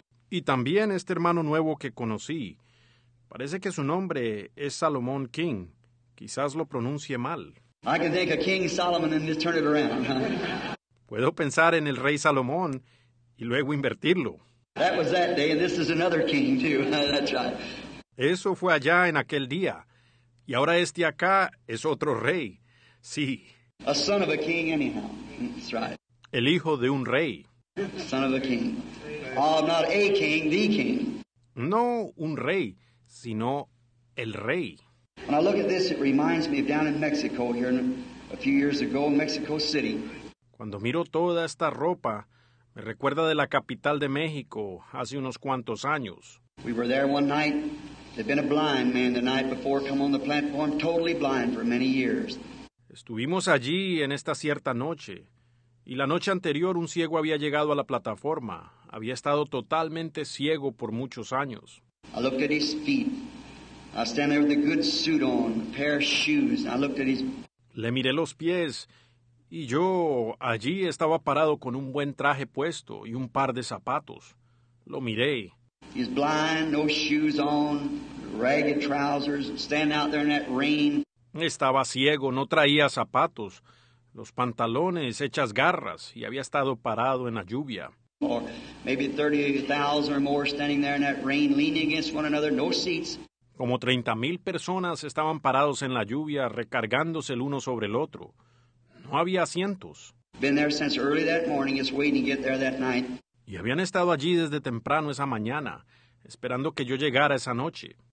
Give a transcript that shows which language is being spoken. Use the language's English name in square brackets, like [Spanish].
[Spanish] Y también este hermano nuevo que conocí. Parece que su nombre es Salomón King. Quizás lo pronuncie mal. [English] I can think of King Solomon and just turn it around. [Spanish] Puedo pensar en el rey Salomón y luego invertirlo. [English] That was that day, and this is another king too. That's right. [Spanish] Eso fue allá en aquel día, y ahora este acá es otro rey. Sí. [English] A son of a king, anyhow. That's right. [Spanish] El hijo de un rey. [English] Son of a king. Oh, not a king, the king. [Spanish] No un rey, sino el rey. [English] When I look at this, it reminds me of down in Mexico here a few years ago in Mexico City. [Spanish] Cuando miro toda esta ropa, me recuerda de la capital de México hace unos cuantos años. [English] We were there one night. There'd been a blind man the night before come on the platform, totally blind for many years. [Spanish] Estuvimos allí en esta cierta noche. Y la noche anterior, un ciego había llegado a la plataforma, había estado totalmente ciego por muchos años. [English] I looked at his feet. I stand there with a good suit on, a pair of shoes. I looked at his... [Spanish] Le miré los pies y yo allí estaba parado con un buen traje puesto y un par de zapatos. Lo miré. [English] He's blind, no shoes on, ragged trousers, standing out there in that rain. [Spanish] Estaba ciego, no traía zapatos, los pantalones hechas garras y había estado parado en la lluvia. [English] Or maybe 30,000 or more standing there in that rain, leaning against one another, no seats. [Spanish] Como 30,000 personas estaban parados en la lluvia, recargándose el uno sobre el otro. No había asientos. [English] Been there since early that morning, just waiting to get there that night. [Spanish] Y habían estado allí desde temprano esa mañana, esperando que yo llegara esa noche.